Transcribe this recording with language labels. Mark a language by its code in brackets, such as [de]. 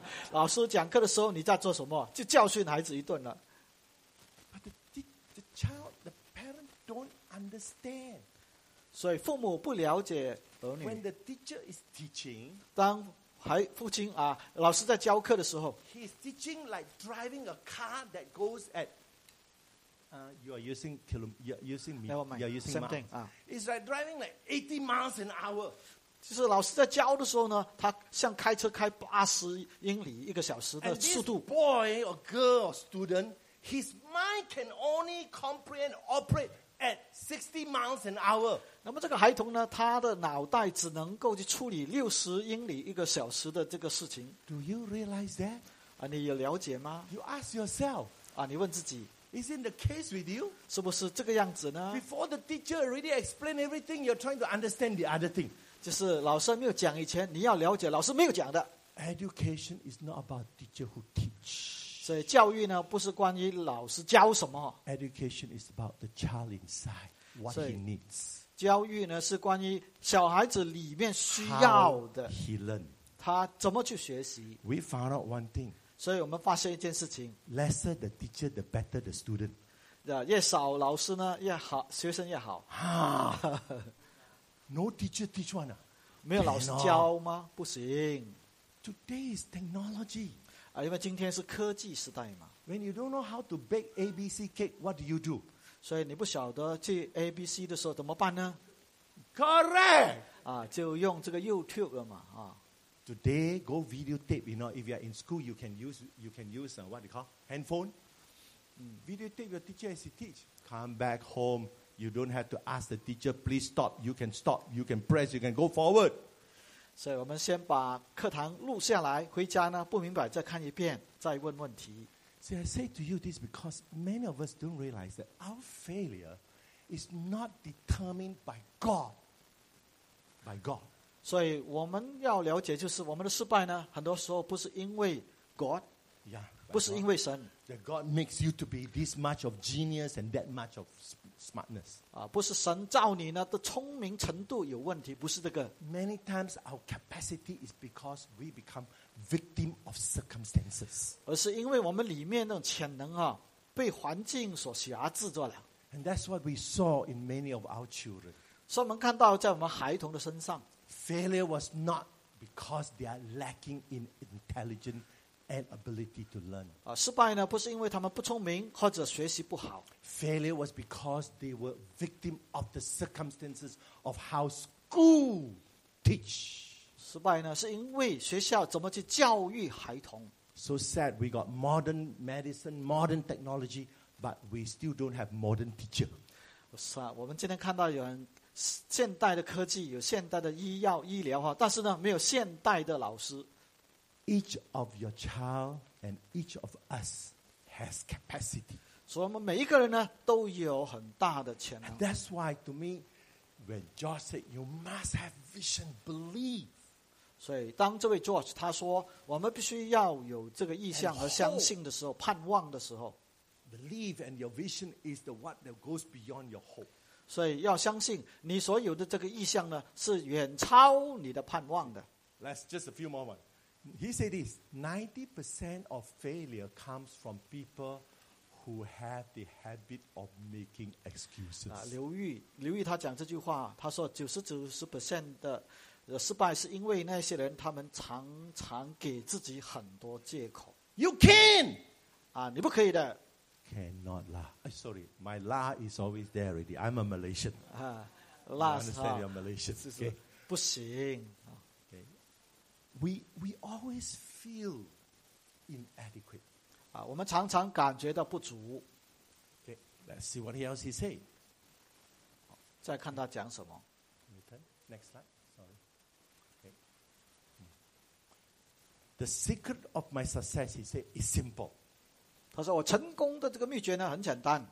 [zh] 老师讲课的时候, 你在做什么? 就教训孩子一顿了。 [en] But the child, the parent don't understand. [zh] 所以父母不了解儿女。 [en] When the teacher is teaching, [zh] 当父亲, 啊, 老师在教课的时候, [en] he is teaching like driving a car that goes at you are using miles. It's like driving like 80 miles an hour. And this boy or girl or student, his mind can only comprehend operate at 60 miles an hour. [zh] 那么这个孩童呢, 他的脑袋只能够去处理60英里一个小时的这个事情。 [en] Do you realize that? [zh] 啊, 你有了解吗? [en] You ask yourself. [zh] 啊, 你问自己, [en] isn't the case with you? [zh] 是不是这个样子呢? [en] Before the teacher already explained everything, you're trying to understand the other thing. [zh] 就是老师没有讲以前, 你要了解老师没有讲的。 [en] Education is not about teacher who teach. [zh] 所以教育呢, 不是关于老师教什么。 [en] Education is about the child inside, what he needs. [zh] 教育呢, 是关于小孩子里面需要的。 [en] How he learn. [zh] 他怎么去学习。 [en] We found out one thing. [zh] 所以我们发现一件事情, [en] lesser the teacher, the better the student. [zh] 越少老师呢, 越好, 学生越好。 [en] No teacher teach one? [zh] 没有老师教吗?不行。 [en] Today is technology. [zh] 因为今天是科技时代嘛。 [en] When you don't know how to bake ABC cake, what do you do? [zh] 所以你不晓得去 ABC的时候怎么办呢? [en] Correct! [zh] 就用这个 YouTube了嘛。 [en] Today, go videotape. You know, if you are in school, you can use what do you call handphone. Videotape your teacher as he teach. Come back home. You don't have to ask the teacher. Please stop. You can stop. You can press. You can go forward. [zh] So, 我们先把课堂录下来。回家呢，不明白再看一遍，再问问题。 [en] See, I say to you this because many of us don't realize that our failure is not determined by God. By God. [zh] 所以我们要了解就是我们的失败呢, 很多时候不是因为 God, [en] yeah, [zh] 不是因为神。 [en] That God makes you to be this much of genius and that much of smartness. [zh] 不是神造你呢, 的聪明程度有问题, 不是这个。 [en] Many times our capacity is because we become victim of circumstances. [zh] 而是因为我们里面那种潜能啊, 被环境所辖制着了。 [en] And that's what we saw in many of our children. [zh] 所以我们看到在我们孩童的身上, [en] failure was not because they are lacking in intelligence and ability to learn. [zh] 失败呢，不是因为他们不聪明或者学习不好。 [en] Failure was because they were victim of the circumstances of how school teach. [zh] 失败呢，是因为学校怎么去教育孩童。 [en] So sad, we got modern medicine, modern technology, but we still don't have modern teacher. [zh] 我们今天看到有人 现代的科技, 有现代的医药, 医疗, 但是呢, 没有现代的老师。 [en] Each of your child and each of us has capacity. [zh] 所以我们每一个人呢, 都有很大的潜能。 [en] And that's why to me, when George said, you must have vision, believe. [zh] 所以当这位 George 他说, 我们必须要有这个意向和相信的时候, 盼望的时候。 [en] Believe and your vision is the one that goes beyond your hope. [zh] 所以要相信你所有的这个意向呢, 是远超你的盼望的。 [en] Let's just a few moments. He said this, 90% of failure comes from people who have the habit of making excuses. [zh] 刘玉他讲这句话, 他说 90%的失败是因为那些人, 他们常常给自己很多借口。 [en] You can! [zh] 你不可以的。 [en] Cannot lah. Sorry, my lah is always there already. I'm a Malaysian. La, you understand you're Malaysian. Okay. [zh] 不行. [en] Okay. We always feel inadequate. [zh] 我们常常感觉到不足. [en] Okay. Let's see what else he said. [zh] 再看他讲什么. [en] Next slide. Sorry. Okay. The secret of my success, he said, is simple. [zh] 他说我成功的这个秘诀呢很简单